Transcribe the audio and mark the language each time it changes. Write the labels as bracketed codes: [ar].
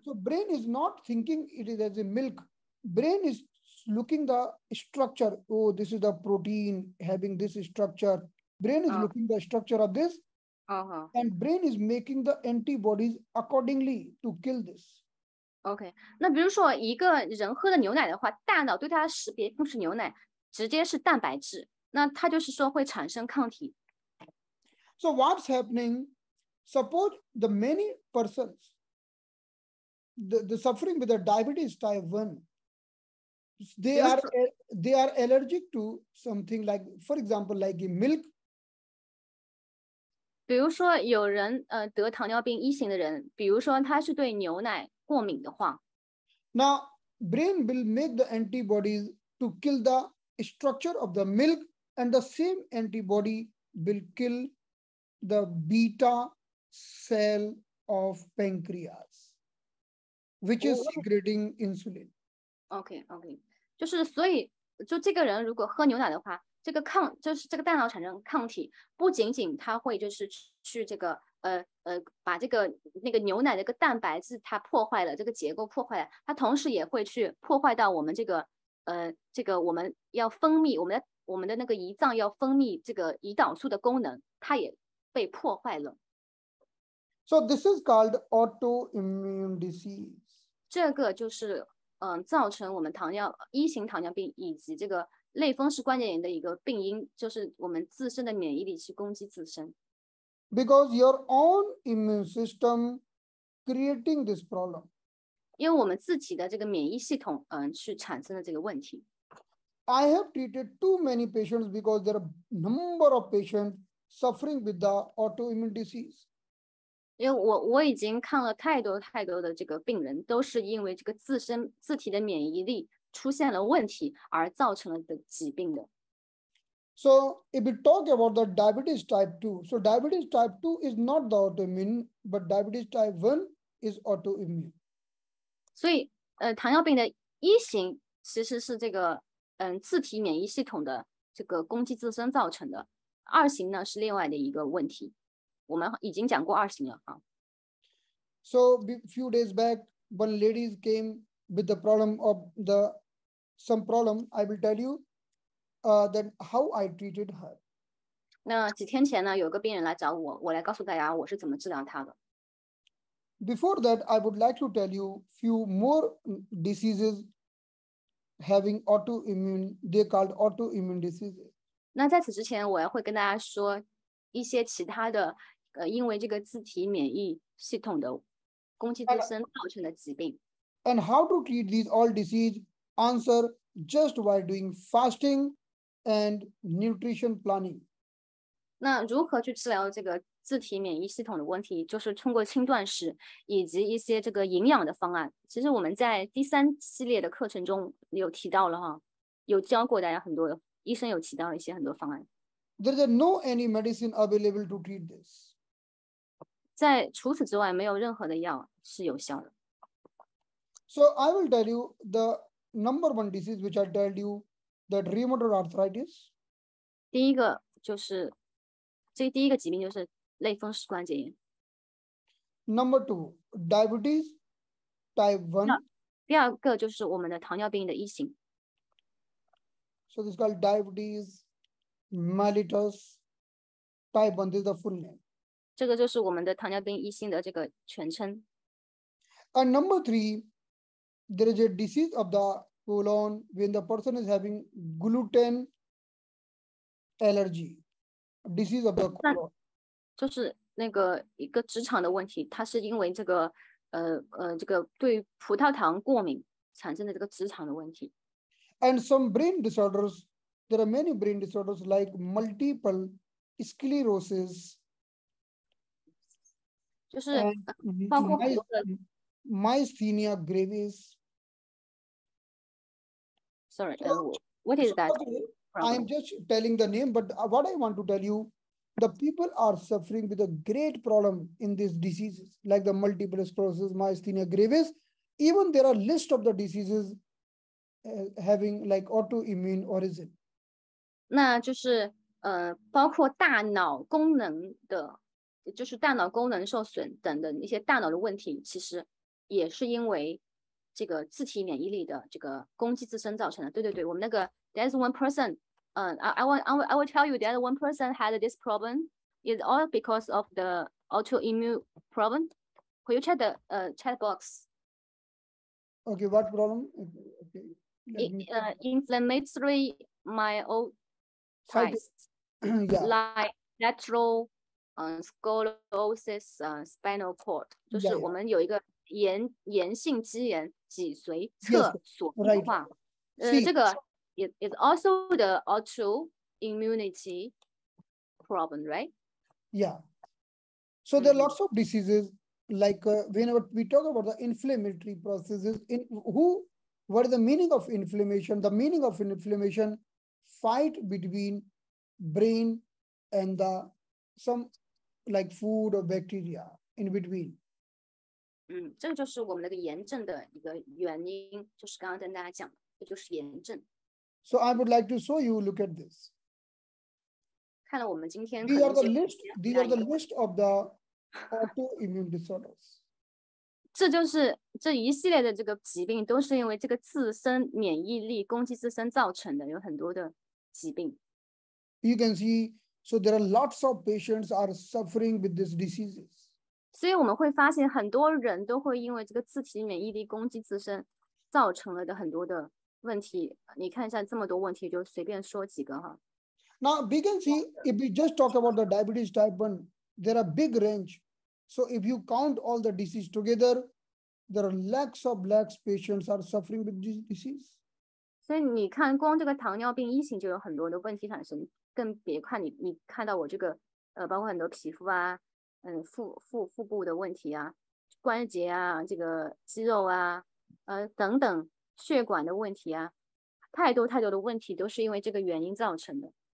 [en] So brain is not thinking it is as a milk. Brain is looking the structure. Oh, this is the protein having this structure. Brain is looking the structure of this. Uh-huh. And brain is making the antibodies accordingly to kill this. Okay. [zh] 那比如说一个人喝的牛奶的话，大脑对它的识别不是牛奶，直接是蛋白质。那它就是说会产生抗体。 [en] So what's happening? Suppose the many persons, the suffering with the diabetes type 1, they are allergic to something like, for example, like milk. [zh] 比如说有人得糖尿病一型的人，比如说他是对牛奶过敏的话。 [en] Now, brain will make the antibodies to kill the structure of the milk, and the same antibody will kill the beta cell of pancreas, which is secreting insulin. Okay. [zh] 就是所以就这个人如果喝牛奶的话，这个抗就是这个大脑产生抗体，不仅仅它会就是去这个把这个那个牛奶的个蛋白质它破坏了，这个结构破坏了，它同时也会去破坏到我们这个这个我们要分泌我们的那个胰脏要分泌这个胰岛素的功能，它也被破坏了。 [en] So this is called autoimmune disease. [zh] 这个就是造成我们糖尿一型糖尿病以及这个类风湿关节炎的一个病因，就是我们自身的免疫力去攻击自身。 [en] Because your own immune system creating this problem. [zh] 因为我们自己的这个免疫系统去产生了这个问题。 [en] I have treated too many patients because there are number of patients suffering with the autoimmune disease. [zh] 因为我已经看了太多太多的这个病人，都是因为这个自体的免疫力出现了问题而造成了的疾病的。 [en] So if we talk about the diabetes type 2, so diabetes type 2 is not the autoimmune, but diabetes type 1 is autoimmune. [zh] 所以糖尿病的一型其实是这个自体免疫系统的这个攻击自身造成的，二型呢是另外的一个问题。我们已经讲过二型了啊。 [en] So a few days back, one lady came with the problem of some problem. I will tell you, that how I treated her. [zh] 那几天前呢，有个病人来找我，我来告诉大家我是怎么治疗他的。 [en] Before that, I would like to tell you few more diseases having autoimmune. They called autoimmune diseases. [zh] 那在此之前，我会跟大家说一些其他的。因为这个自体免疫系统的攻击自身造成的疾病。 [en] And how to treat these all disease? Answer, just by doing fasting and nutrition planning. [zh] 那如何去治疗这个自体免疫系统的问题，就是通过轻断食以及一些这个营养的方案。其实我们在第三系列的课程中有提到了哈，有教过大家很多，医生有提到一些很多方案。 [en] There is no any medicine available to treat this. [zh] 在除此之外，没有任何的药是有效的。 [en] So I will tell you the number one disease which I told you, that rheumatoid arthritis. [zh] 第一个就是，这第一个疾病就是类风湿关节炎。 [en] Number two, diabetes type 1. [zh] 第二个就是我们的糖尿病的一型。 [en] So this is called diabetes. Mellitus type 1 is the full name. [zh] 这个就是我们的糖尿病一型的这个全称。 [en] And number three, there is a disease of the colon when the person is having gluten allergy. Disease of the colon. [zh] 就是那个一个直肠的问题，它是因为这个这个对葡萄糖过敏产生的这个磁场的问题。 [en] And some brain disorders, there are many brain disorders like multiple sclerosis. [zh] 就是包括很多的 [en] myasthenia gravis. Sorry, what is that? I'm just telling the name, but what I want to tell you, the people are suffering with a great problem in these diseases, like the multiple sclerosis, myasthenia gravis. Even there are list of the diseases having like autoimmune origin. [zh] 那就是包括大脑功能的，就是大脑功能受损等的一些大脑的问题，其实也是因为这个自体免疫力的这个攻击自身造成的。对对对，我们那个 [en] there's one person. I will tell you that one person had this problem. It's all because of the autoimmune problem. Can you check the chat box? Okay, what problem? Okay, inflammatory myositis, like lateral sclerosis, spinal cord. [zh] 就是我们有一个炎性肌炎脊髓侧索硬化。 [en] Yes, right. [zh] 这个。 [en] It's also the autoimmunity problem, right? Yeah. So there are lots of diseases, like whenever we talk about the inflammatory processes, what is the meaning of inflammation? The meaning of inflammation, fight between brain and the some like food or bacteria in between. [zh] 这就是我们那个炎症的一个原因，就是刚刚跟大家讲的，这就是炎症。 [en] So I would like to show you, look at this. These are the list of the autoimmune disorders. [zh] 这就是这一系列的这个疾病都是因为这个自身免疫力攻击自身造成的，有很多的疾病。 [en] You can see, so there are lots of patients are suffering with these diseases. [zh] 所以我们会发现很多人都会因为这个自体免疫力攻击自身造成了的很多的问题，你看一下这么多问题，就随便说几个哈。 [en] Now we can see if we just talk about the diabetes type 1, there are big range. So if you count all the diseases together, there are lakhs of patients are suffering with this disease. [zh] 所以你看，光这个糖尿病一型就有很多的问题产生，更别看你看到我这个包括很多皮肤啊，腹部的问题啊，关节啊，这个肌肉啊，等等。血管的问题啊，太多太多的问题都是因为这个原因造成的。